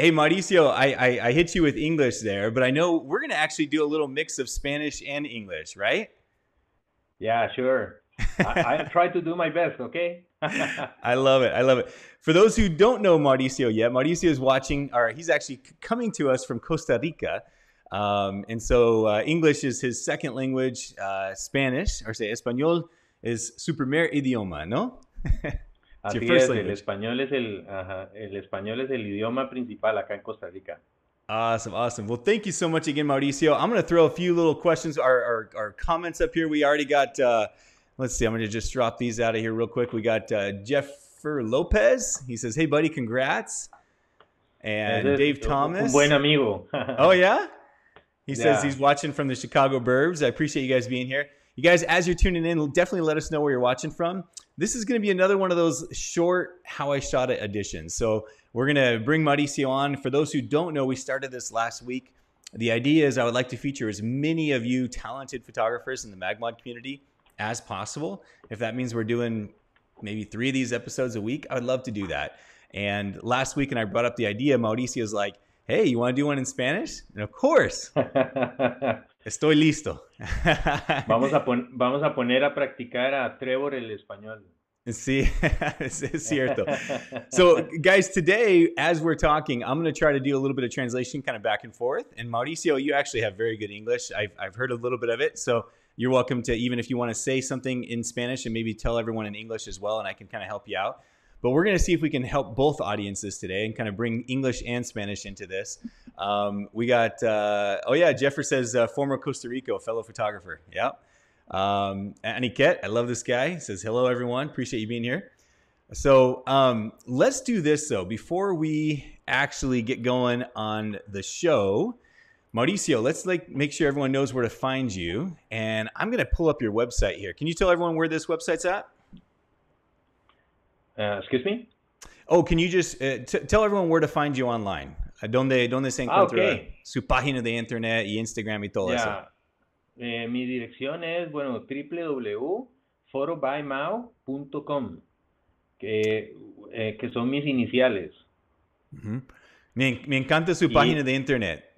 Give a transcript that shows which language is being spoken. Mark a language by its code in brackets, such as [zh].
[en] Hey, Mauricio, I hit you with English there, but I know we're going to actually do a little mix of Spanish and English, right? Yeah, sure. I try to do my best, okay? I love it. I love it. For those who don't know Mauricio yet, Mauricio is watching, or he's actually coming to us from Costa Rica. English is his second language. Spanish, or say Español, is [es] su primer idioma, ¿no? Así es, el español es el idioma principal acá en Costa Rica. [en] Awesome, awesome. Well, thank you so much again, Mauricio. I'm going to throw a few little questions, our comments up here. We already got... let's see, I'm going to just drop these out of here real quick. We got Jeffer Lopez. He says, hey, buddy, congrats. And es Dave Thomas. [es] Un buen amigo. [en] Oh, yeah? He says he's watching from the Chicago Burbs. I appreciate you guys being here. You guys, as you're tuning in, definitely let us know where you're watching from. This is going to be another one of those short How I Shot It editions. So we're going to bring Mauricio on. For those who don't know, we started this last week. The idea is I would like to feature as many of you talented photographers in the MagMod community as possible. If that means we're doing maybe three of these episodes a week, I would love to do that. And last week, and I brought up the idea, Mauricio's like, hey, you want to do one in Spanish? And of course, [es] estoy listo. vamos a poner a practicar a Trevor el español. Sí, es cierto. [en] So guys, today, as we're talking, I'm going to try to do a little bit of translation kind of back and forth. And Mauricio, you actually have very good English. I've heard a little bit of it. So you're welcome to, even if you want to say something in Spanish and maybe tell everyone in English as well, and I can kind of help you out. But we're going to see if we can help both audiences today and kind of bring English and Spanish into this. We got, Jeffer says, former Costa Rico, fellow photographer. Yep. Aniket, I love this guy. He says, hello, everyone. Appreciate you being here. So let's do this, though. Before we actually get going on the show, Mauricio, let's make sure everyone knows where to find you. And I'm going to pull up your website here. Can you tell everyone where this website's at? Excuse me? Oh, can you just tell everyone where to find you online? [es] ¿Dónde se encuentra su página de internet y Instagram y todo eso? Mi dirección es, bueno, www.photobymau.com, que son mis iniciales. Mm-hmm. Me encanta su página de internet.